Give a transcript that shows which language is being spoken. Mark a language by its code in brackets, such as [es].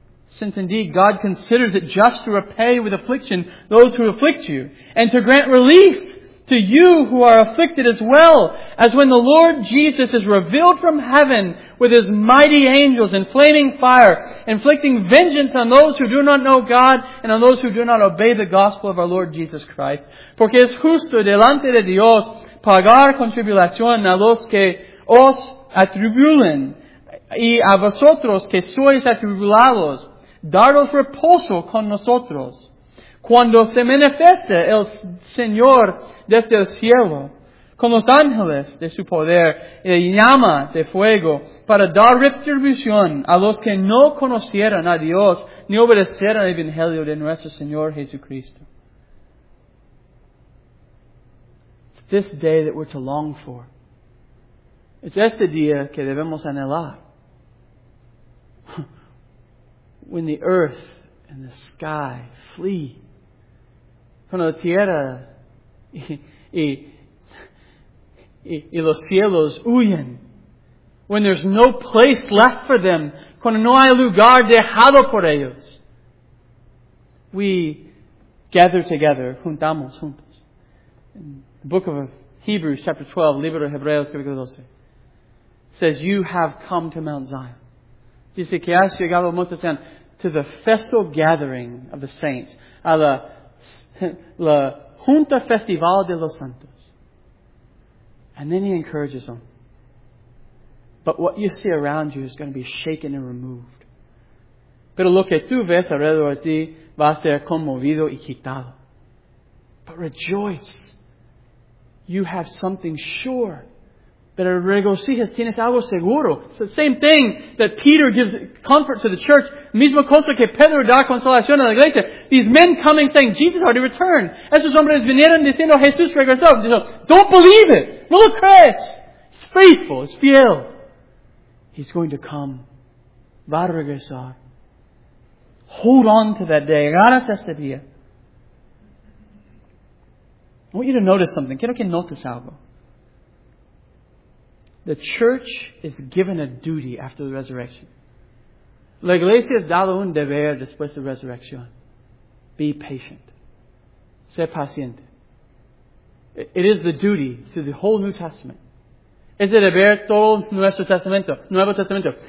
[en] Since indeed God considers it just to repay with affliction those who afflict you and to grant relief to you who are afflicted as well, as when the Lord Jesus is revealed from heaven with His mighty angels in flaming fire, inflicting vengeance on those who do not know God and on those who do not obey the gospel of our Lord Jesus Christ. [es] Porque es justo delante de Dios pagar con tribulación a los que os atribulen y a vosotros que sois atribulados, daros reposo con nosotros. Cuando se manifieste el Señor desde el cielo, con los ángeles de su poder, y llama de fuego, para dar retribución a los que no conocieran a Dios, ni obedecieran el Evangelio de nuestro Señor Jesucristo. [en] It's this day that we're to long for. It's [es] este día que debemos anhelar. [en] When the earth and the sky flee, [es] cuando la tierra y los cielos huyen, [en] when there's no place left for them, [es] cuando no hay lugar dejado por ellos, [en] we gather together, [es] juntamos, juntos, [en] the book of Hebrews, chapter 12, [es] Libro de Hebreos, capítulo 12, [en] says, you have come to Mount Zion. [es] Dice que has llegado a Monte Sion, [en] to the festal gathering of the saints, [es] a la junta festival de los santos. [en] And then he encourages them. But what you see around you is going to be shaken and removed. [es] Pero lo que tú ves alrededor de ti va a ser conmovido y quitado. [en] But rejoice. You have something sure. [es] Pero regocijas, tienes algo seguro. [en] It's the same thing that Peter gives comfort to the church. [es] Misma cosa que Pedro da consolación a la iglesia. [en] These men coming saying, Jesus already returned. [es] Esos hombres vinieron diciendo, Jesús regresó. [en] Don't believe it. [es] No lo crees. [en] He's faithful. He's [es] fiel. [en] He's going to come. [es] Va a regresar. [en] Hold on to that day. [es] Agarra este día. [en] I want you to notice something. [es] Quiero que notes algo. [en] The church is given a duty after the resurrection. [es] La iglesia es dado un deber después de resurrección. [en] Be patient. [es] Sé paciente. [en] It is the duty to the whole New Testament. [es] Es el deber todo nuestro testamento, Nuevo Testamento.